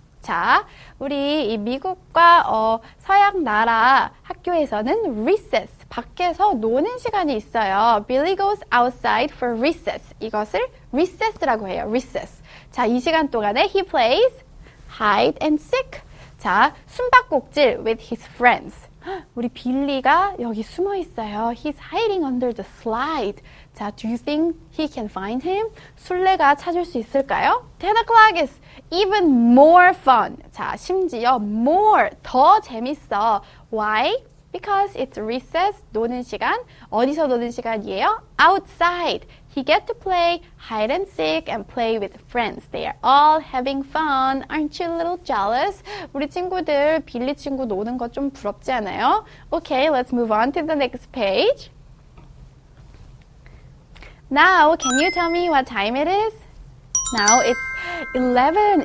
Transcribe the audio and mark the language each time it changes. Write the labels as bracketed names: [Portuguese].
[Korean] 자, 우리 이 미국과 서양 나라 학교에서는 recess, 밖에서 노는 시간이 있어요. [English] Billy goes outside for recess. [Korean] 이것을 recess라고 해요. [English] Recess. [Korean] 자, 이 시간 동안에 [English] he plays hide and seek. [Korean] 자, 숨바꼭질 [English] with his friends. [Korean] 우리 빌리가 여기 숨어 있어요. [English] He's hiding under the slide. 자, do you think he can find him? [Korean] 술래가 찾을 수 있을까요? [English] 10 o'clock is even more fun. [Korean] 자, 심지어 [English] more, [Korean] 더 재밌어. [English] Why? Because it's recess, [Korean] 노는 시간. 어디서 노는 시간이에요? [English] Outside. He get to play hide and seek and play with friends. They are all having fun. Aren't you a little jealous? [Korean] 우리 친구들, 빌리 친구 노는 거 좀 부럽지 않아요? [English] Okay, let's move on to the next page. Now, can you tell me what time it is? Now it's 11.